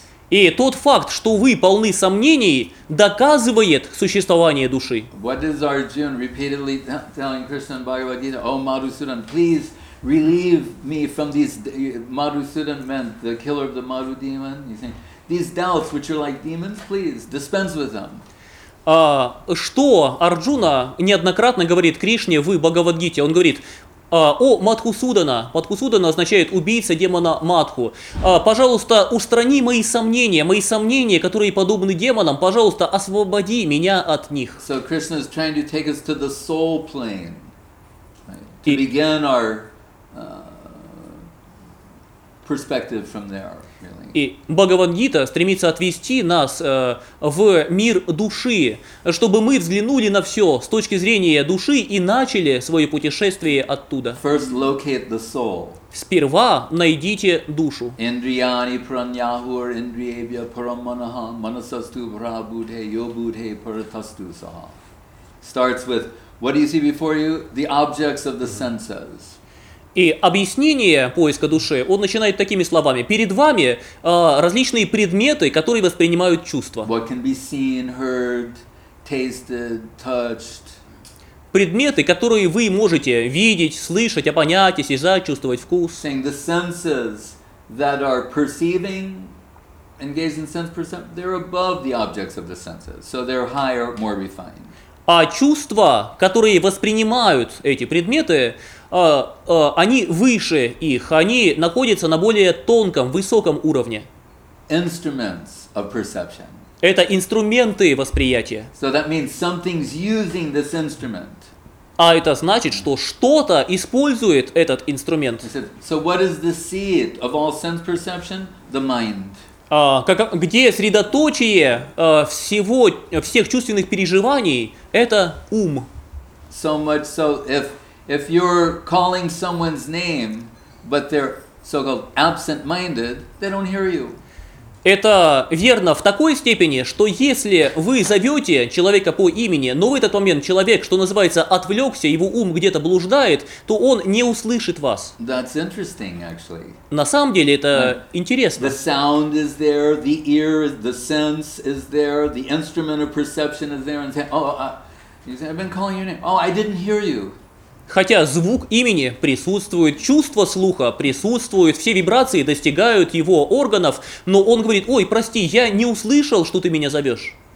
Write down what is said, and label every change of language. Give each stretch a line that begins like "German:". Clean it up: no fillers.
Russian: И тот факт, что вы полны сомнений, доказывает существование души.
English: What is Arjuna repeatedly telling Krishna and Bhagavad Gita, O Madhusudan, please relieve me from these Madhusudan men, the killer of the Madhu demon. You think these doubts, which are like demons, please dispense with them.
Russian: Что Арджуна неоднократно говорит Кришне в Бхагавадгите? Он говорит: «О, Мадхусудана!» Мадхусудана означает убийца демона Мадху. «Пожалуйста, устрани мои сомнения, которые подобны демонам, пожалуйста, освободи меня от них».
English: So Krishna is trying to take us to the soul plane, right? To begin our perspective from there, really.
Russian: И Бхагавадгита стремится отвести нас в мир души, чтобы мы взглянули на все с точки зрения души и начали свое путешествие оттуда.
English: First locate the soul.
Russian: Сперва найдите душу.
Sanskrit: Индрияни праньяхур индриебья параммана манасасту брабудхе йобудхе паратасту саха.
English: Starts with what do you see before you? The objects of the senses.
Russian: И объяснение поиска души, он начинает такими словами. Перед вами различные предметы, которые воспринимают чувства.
English: What can be seen, heard, tasted, touched.
Russian: Предметы, которые вы можете видеть, слышать, опонять, осязать, чувствовать вкус.
English: Saying the senses that are perceiving, engaged in sense perception, they're above the objects of the senses. So they're higher, more refined.
Russian: А чувства, которые воспринимают эти предметы, они выше их, они находятся на более тонком, высоком уровне.
English: Instruments of perception.
Russian: Это инструменты восприятия.
English: So that means something's using this instrument.
Russian: А это значит, что что-то использует этот инструмент.
English: So what is the seat of all sense perception? The mind.
Russian: Где средоточие всех чувственных переживаний? Это ум.
English: So much so, if you're calling someone's name, but they're so-called absent-minded, they don't hear you.
Russian: Это верно в такой степени, что если вы зовете человека по имени, но в этот момент человек, что называется, отвлекся, его ум где-то блуждает, то он не услышит вас.
English: That's interesting, actually.
Russian: На самом деле это интересно.
English: The sound is there, the ear, the sense is there, the instrument of perception is there, and say, oh, you say, I've been calling your name. Oh, I didn't hear you.
Russian: Хотя звук имени присутствует, чувство слуха присутствует, все вибрации достигают его органов, но он говорит: «Ой, прости, я не услышал, что ты меня зовешь».